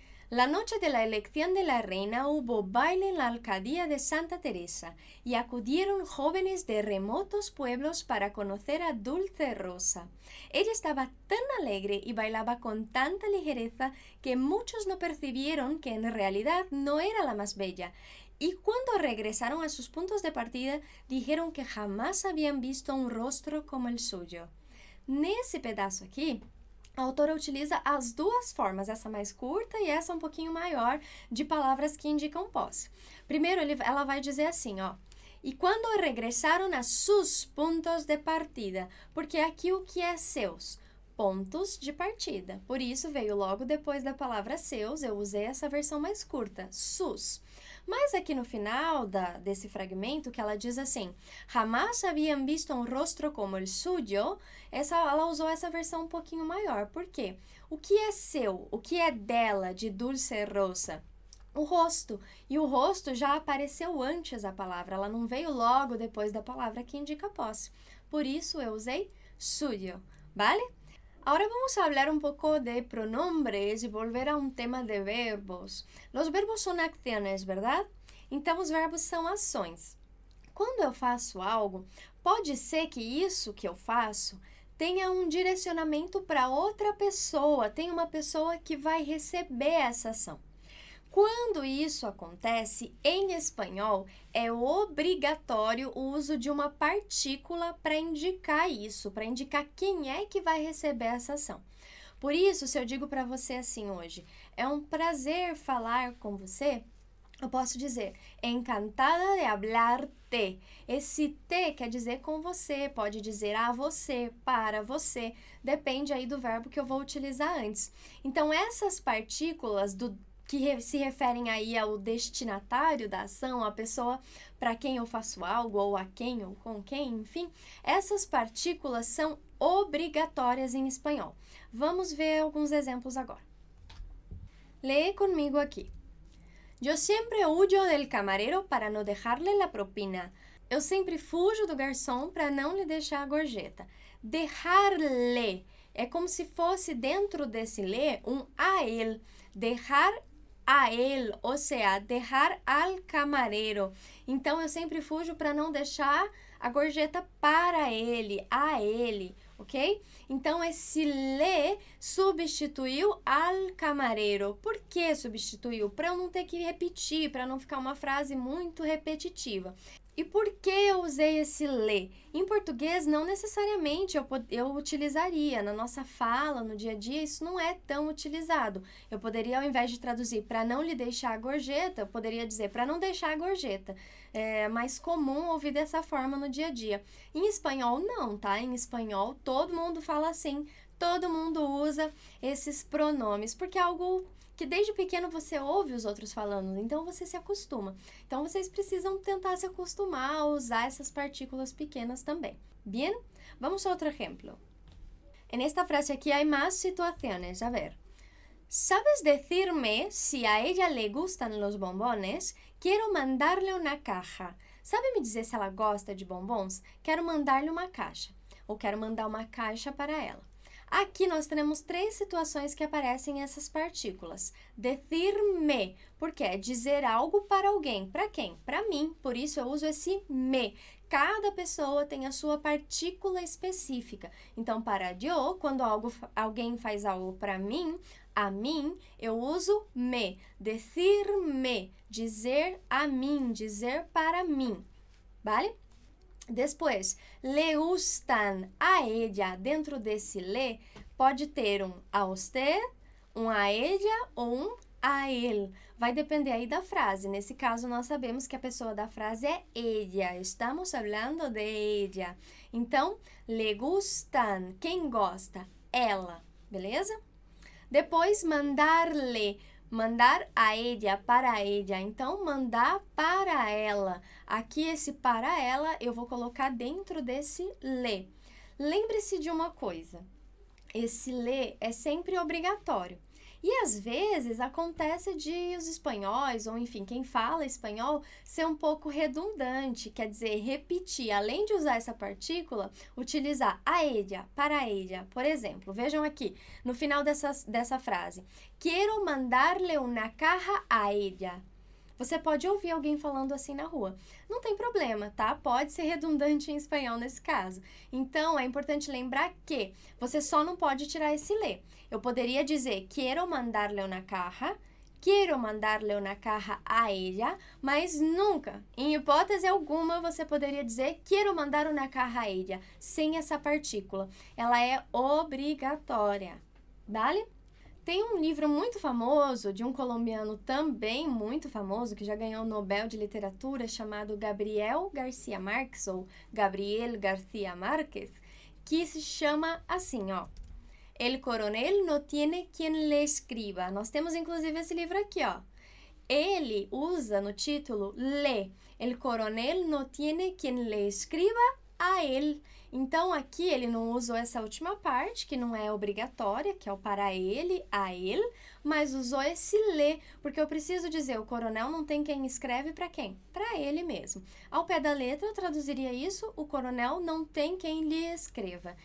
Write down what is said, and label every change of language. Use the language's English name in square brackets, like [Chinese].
[Spanish] La noche de la elección de la reina hubo baile en la alcaldía de Santa Teresa y acudieron jóvenes de remotos pueblos para conocer a Dulce Rosa. Ella estaba tan alegre y bailaba con tanta ligereza que muchos no percibieron que en realidad no era la más bella. Y cuando regresaron a sus puntos de partida, dijeron que jamás habían visto un rostro como el suyo. [Portuguese] En ese pedazo aquí, a autora utiliza as duas formas, essa mais curta e essa um pouquinho maior, de palavras que indicam posse. Primeiro, ela vai dizer assim, ó. E quando regressaram a sus pontos de partida, porque aqui o que é seus? Pontos de partida. Por isso, veio logo depois da palavra seus, eu usei essa versão mais curta, sus. Mas aqui no final desse fragmento, que ela diz assim, jamás haviam visto um rosto como el suyo, ela usou essa versão um pouquinho maior. Por quê? O que é seu? O que é dela, de Dulce Rosa? O rosto. E o rosto já apareceu antes da palavra, ela não veio logo depois da palavra que indica posse. Por isso, eu usei suyo, vale? [Spanish] Ahora vamos a hablar un poco de pronombres y volver a un tema de verbos. Los verbos son acciones, ¿verdad? Entonces, los verbos son acciones. Cuando yo faço algo, puede ser que eso que yo faço [Portuguese] tenha um direcionamento para outra pessoa, tenha uma pessoa que vai receber essa ação. Quando isso acontece, em espanhol, é obrigatório o uso de uma partícula para indicar isso, para indicar quem é que vai receber essa ação. Por isso, se eu digo para você assim hoje, é um prazer falar com você, posso dizer, [Spanish] encantada de hablar te. [Portuguese] Esse te quer dizer com você, pode dizer a você, para você, depende aí do verbo que eu vou utilizar antes. Então, essas partículas se referem aí ao destinatário da ação, a pessoa para quem eu faço algo, ou a quem, ou com quem, enfim, essas partículas são obrigatórias em espanhol. Vamos ver alguns exemplos agora. Lee comigo aqui. [Spanish] Yo siempre huyo del camarero para no dejarle la propina. [Portuguese] Eu sempre fujo do garçom para não lhe deixar a gorjeta. Dejarle é como se fosse dentro desse le um a él. Dejar a él, ou seja, dejar al camarero. Então, eu sempre fujo para não deixar a gorjeta para ele, a ele, ok? Então, esse le substituiu al camarero. Por que substituiu? Para eu não ter que repetir, para não ficar uma frase muito repetitiva. E por que eu usei esse le? Em português, não necessariamente eu utilizaria. Na nossa fala, no dia a dia, isso não é tão utilizado. Eu poderia, ao invés de traduzir para não lhe deixar a gorjeta, eu poderia dizer para não deixar a gorjeta. É mais comum ouvir dessa forma no dia a dia. Em espanhol, não, tá? Em espanhol, todo mundo fala assim. Todo mundo usa esses pronomes, porque é algo que desde pequeno você ouve os outros falando, então você se acostuma. Então, vocês precisam tentar se acostumar a usar essas partículas pequenas também. Bien? Vamos a outro exemplo. [Spanish] En esta frase [Portuguese] aqui, há mais situações. [Spanish] A ver. ¿Sabes decirme si a ella le gustan los bombones? Quiero mandarle una caja. [Portuguese] Sabe me dizer se ela gosta de bombons? Quero mandar-lhe uma caixa. Ou quero mandar uma caixa para ela. Aqui nós temos três situações que aparecem essas partículas. Decirme, porque é dizer algo para alguém. Para quem? Para mim. Por isso eu uso esse me. Cada pessoa tem a sua partícula específica. Então, para yo, quando alguém faz algo para mim, a mim, eu uso me. Decirme, dizer a mim, dizer para mim. Vale? Depois, [Spanish] le gustan a ella, [Portuguese] dentro desse le, pode ter um a usted, um a ella ou um a él. Vai depender aí da frase. Nesse caso, nós sabemos que a pessoa da frase é ella. [Spanish] Estamos hablando de ella. [Portuguese] Então, le gustan, quem gosta? Ela, beleza? Depois, mandar-le. Mandar a ella, para ella. Então, mandar para ela. Aqui, esse para ela, eu vou colocar dentro desse le. Lembre-se de uma coisa. Esse le é sempre obrigatório. E, às vezes, acontece de os espanhóis, ou, enfim, quem fala espanhol, ser um pouco redundante, quer dizer, repetir. Além de usar essa partícula, utilizar [Spanish] a ella, para ella. [Portuguese] Por exemplo, vejam aqui, no final dessa frase. [Spanish] Quiero mandarle una caja a ella. [Portuguese] Você pode ouvir alguém falando assim na rua. Não tem problema, tá? Pode ser redundante em espanhol nesse caso. Então, é importante lembrar que você só não pode tirar esse le. Eu poderia dizer, [Spanish] quiero mandarle una caja. Quiero mandarle una caja a ella. [Portuguese] Mas nunca, em hipótese alguma, você poderia dizer, [Spanish] quiero mandar una caja a ella. [Portuguese] Sem essa partícula. Ela é obrigatória. Vale? Tem um livro muito famoso, de um colombiano também muito famoso, que já ganhou o Nobel de Literatura, chamado Gabriel García Márquez, ou Gabriel García Márquez, que se chama assim, ó. [Spanish] El coronel no tiene quien le escriba. [Portuguese] Nós temos, inclusive, esse livro aqui, ó. Ele usa no título le. [Spanish] El coronel no tiene quien le escriba a él. [Portuguese] Então, aqui ele não usou essa última parte, que não é obrigatória, que é o para ele, a ele, mas usou esse le, porque eu preciso dizer, o coronel não tem quem escreve para quem? Para ele mesmo. Ao pé da letra, eu traduziria isso, o coronel não tem quem lhe escreva.